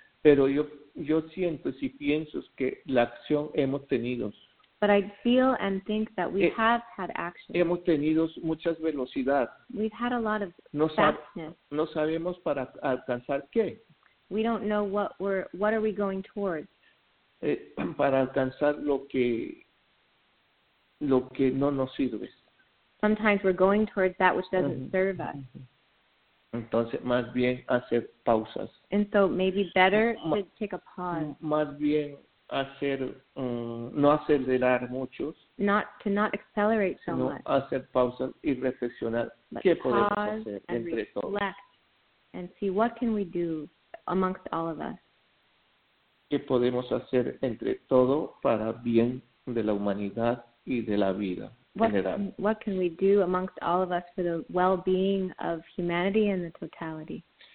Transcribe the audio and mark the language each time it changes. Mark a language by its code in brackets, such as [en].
[es] Pero yo siento si pienso que la acción hemos tenido. [en] But I feel and think that we have had action. [es] Hemos tenido muchas velocidad. [en] We've had a lot of fastness. [es] No sabemos para alcanzar qué. [en] We don't know what are we going towards. [es] Para alcanzar lo que no nos sirve. [en] Sometimes we're going towards that which doesn't serve us. [es] Entonces, más bien hacer pausas. [en] And so maybe better to take a pause. [es] Más bien hacer no acelerar muchos, [en] not accelerate so much, [es] hacer pausas y reflexionar qué podemos hacer entre todos, [en] and see what can we do amongst all of us, [es] qué podemos hacer entre todo para bien de la humanidad y de la vida general. [en] What can we do amongst all of us for the well-being of humanity and the totality.